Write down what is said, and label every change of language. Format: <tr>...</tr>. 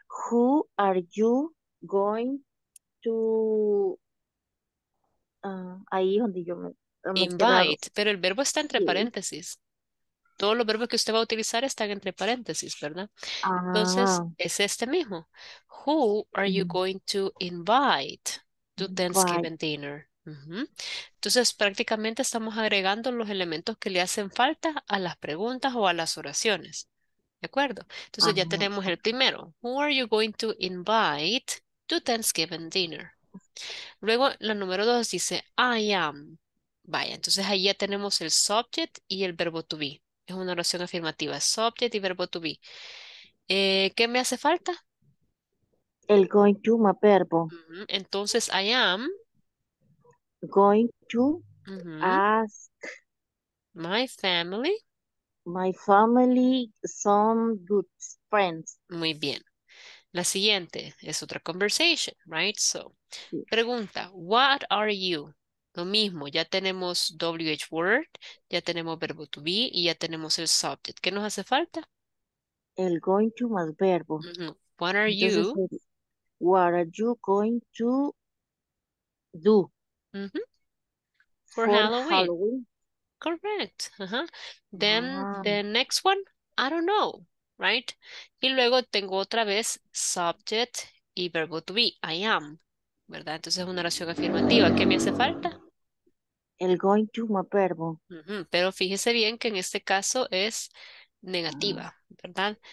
<en>Who are you going to...</en> <es>ahí es donde yo me... Invite, pero el verbo está entre paréntesis. Todos los verbos que usted va a utilizar están entre paréntesis, ¿verdad? Entonces, es este mismo.</es> <en>Who are you going to invite to Thanksgiving dinner?</en> <es>Entonces, prácticamente estamos agregando los elementos que le hacen falta a las preguntas o a las oraciones. ¿De acuerdo? Entonces, ya tenemos el primero.</es> <en>Who are you going to invite to Thanksgiving dinner?</en> <es>Luego, la número dos dice,</es> <en>I am.</en> <es>Vaya, entonces ahí ya tenemos el subject y el verbo to be. Es una oración afirmativa, subject y verbo to be. ¿Qué me hace falta? El going to, my verbo.</es> <en>Entonces, I am going to ask my family some good friends.</en> <es>Muy bien. La siguiente es otra conversation, right? So, pregunta,</es> <en>what are you?</en> <es>Lo mismo, ya tenemos WH word, ya tenemos verbo to be y ya tenemos el subject. ¿Qué nos hace falta? El going to más verbo.</es> <en>What are you? What are you going to do? For Halloween. Halloween. Correct. Then the next one, I don't know, right?</en> <es>Y luego tengo otra vez subject y verbo to be,</es> <en>I am,</en> <es>¿verdad? Entonces es una oración afirmativa. ¿Qué me hace falta? El going to, my verbo. Pero fíjese bien que en este caso es negativa, ¿verdad?</es>